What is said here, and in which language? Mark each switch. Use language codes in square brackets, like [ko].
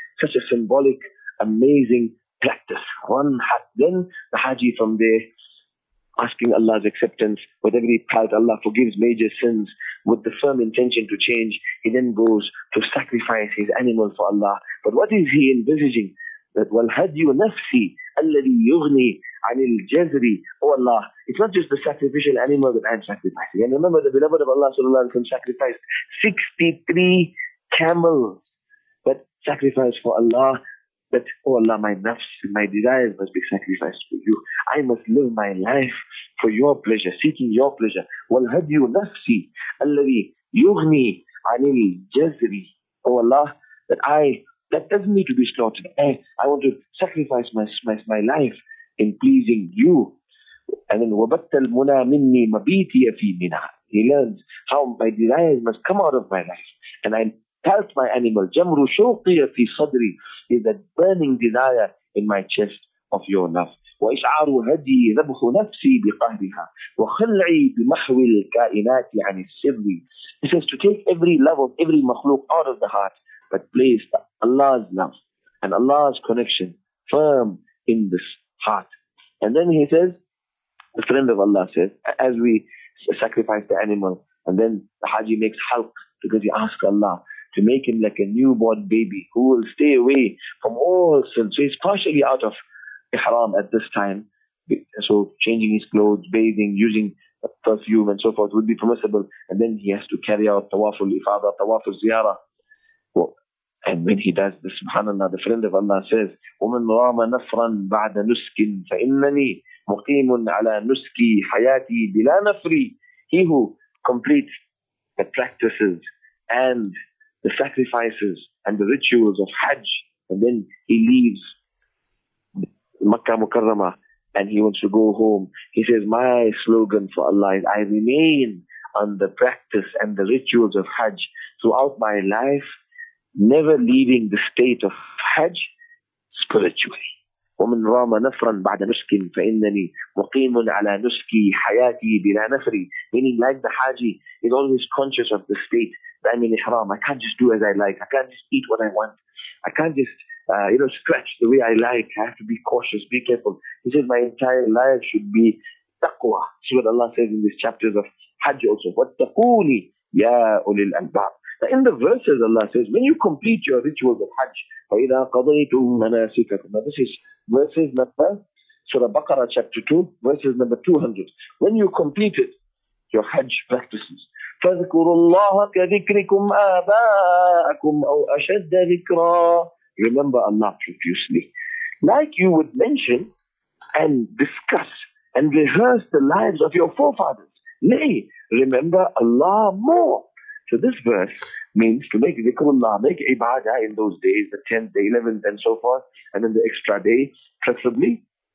[en] Such a symbolic, amazing practice. Ran Hat. Then the Haji from there, asking Allah's acceptance, with every part Allah forgives major sins, with the firm intention to change, he then goes to sacrifice his animal for Allah. But what is he envisaging? That [ar] وَالْهَدْيُ نَفْسِي أَلَّذِي يُغْنِي عَنِ الْجَزْرِ. [en] Oh Allah, it's not just the sacrificial animal that I'm sacrificing. And remember, the beloved of Allah sallallahu alayhi wa sallam sacrificed 63 camels, but sacrificed for Allah. That, oh Allah, my nafs, my desires must be sacrificed for you. I must live my life for your pleasure, seeking your pleasure. [ar] وَالْهَدْيُ نَفْسِي أَلَّذِي يُغْنِي عَنِ الْجَزْرِ. [en] Oh Allah, that I, that doesn't need to be slaughtered. I want to sacrifice my life in pleasing you. And then [ar] وَبَتَّ الْمُنَى مِنِّي مَبِيتِيَ فِي مِنَى. [en] He learns how my desires must come out of my life. And I help my animal. [ar] جَمْرُ شَوْقِيَ فِي صَدْرِي. [en] Is that burning desire in my chest of your love. [ar] وَإِشْعَارُ هَدِي ذَبْحُ نَفْسِي بِقَهْرِهَا وَخِلْعِي بِمَحْوِ الْكَائِنَاتِ عَنِ السِّرِّ. [en] This is to take every love of every makhluk out of the heart, but place Allah's love and Allah's connection firm in this heart. And then he says, the friend of Allah says, as we sacrifice the animal, and then the Haji makes halq, because he asks Allah to make him like a newborn baby who will stay away from all sins. So he's partially out of ihram at this time. So changing his clothes, bathing, using perfume and so forth would be permissible. And then he has to carry out tawaful ifada, tawaful ziyara. And when he does this, subhanAllah, the friend of Allah says, [ar] وَمَنْ رَامَ نَفْرًا بَعْدَ نُسْكٍ فَإِنَّنِي مُقِيمٌ عَلَى نُسْكِ حَيَاتِي بِلَا نَفْرِي. [en] He who completes the practices and the sacrifices and the rituals of Hajj, and then he leaves Makkah Mukarramah and he wants to go home, he says, my slogan for Allah is, I remain on the practice and the rituals of Hajj throughout my life, never leaving the state of Hajj spiritually. [ar] وَمَنْ رَامَ نَفْرًا بَعْدَ نُسْكٍ فَإِنَّنِي مُقِيمٌ عَلَى نُسْكِي حَيَاتِي بِلَا نَفْرِي. [en] Meaning, like the Haji, is always conscious of the state. I'm in ihram. I can't just do as I like. I can't just eat what I want. I can't just, scratch the way I like. I have to be cautious, be careful. He says, my entire life should be taqwa. See what Allah says in these chapters of Hajj also. [ar] وَاتَّقُونِ يَا أُولِي الْأَلْبَابِ. [en] Now in the verses, Allah says, when you complete your rituals of Hajj, [ar] فَإِذَا قَضَيْتُمْ مَنَاسِكَكُمْ. [en] Now this is verses number, Surah Baqarah chapter 2, verses number 200. When you completed your Hajj practices, [ar] فَذْكُرُوا اللَّهَ كَذِكْرِكُمْ آبَاءَكُمْ أَوْ أَشَدَّ ذِكْرًا. [en] Remember Allah profusely. Like you would mention and discuss and rehearse the lives of your forefathers. Nay, remember Allah more. So this verse means to make dhikrullah, make ibadah in those days, the 10th, the 11th and so forth, and then the extra day, preferably.